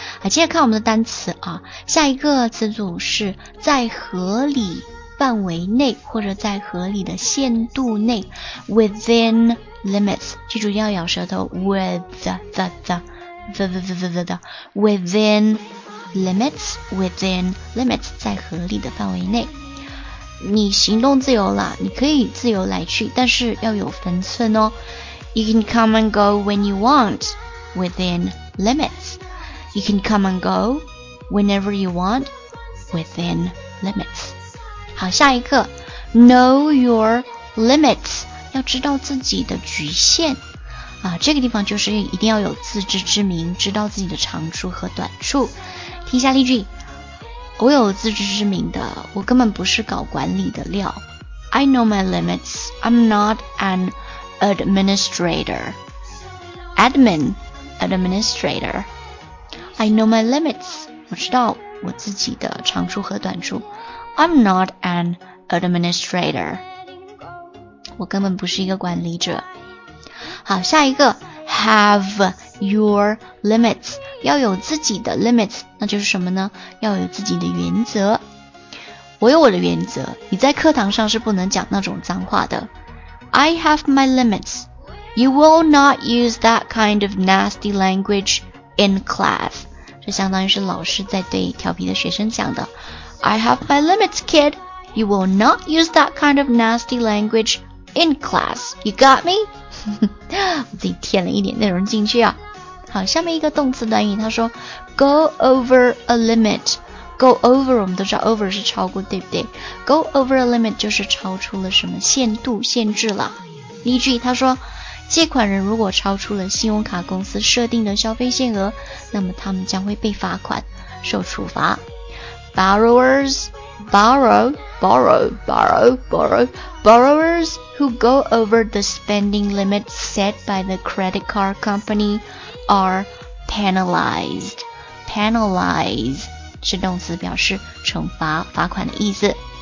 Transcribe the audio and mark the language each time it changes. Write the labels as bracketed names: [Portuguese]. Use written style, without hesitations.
[Chinese] 好，接着看我们的单词啊，下一个词组是在合理范围内或者在合理的限度内， [English] within limits， [Chinese] 记住要咬舌头 with the the the the the the the the within limits， within limits， 在合理的范围内。你行动自由了，你可以自由来去，但是要有分寸哦。 [English] You can come and go when you want, within limits. You can come and go whenever you want, within limits. [Chinese] 好，下一个 ， [English] know your limits， [Chinese] 要知道自己的局限啊。这个地方就是一定要有自知之明，知道自己的长处和短处。听一下例句。我有自知之明的，我根本不是搞管理的料。 [English] I know my limits. I'm not an administrator. Admin, administrator. I know my limits. [Chinese] 我知道我自己的长处和短处。 [English] I'm not an administrator. [Chinese] 我根本不是一个管理者。好，下一个 ， [English] have your limits. [Chinese] 要有自己的 limits， 那就是什么呢？要有自己的原则。我有我的原则，你在课堂上是不能讲那种脏话的。 [English] I have my limits. You will not use that kind of nasty language in class. [Chinese] 这相当于是老师在对调皮的学生讲的。 [English] I have my limits, kid. You will not use that kind of nasty language in class. You got me? [Chinese] 我自己添了一点内容进去啊。好，下面一个动词短语，他说 [English] go over a limit， [Chinese] go over 我们都知道 over 是超过，对不对？ [English] go over a limit [Chinese] 就是超出了什么限度限制了。例句，他说借款人如果超出了信用卡公司设定的消费限额，那么他们将会被罚款受处罚。 [English] borrowers borrow borrow borrow borrow borrowers who go over the spending limit set by the credit card companyare penalized. [Chinese] Penalize 是动词，表示惩罚、罚款的意思。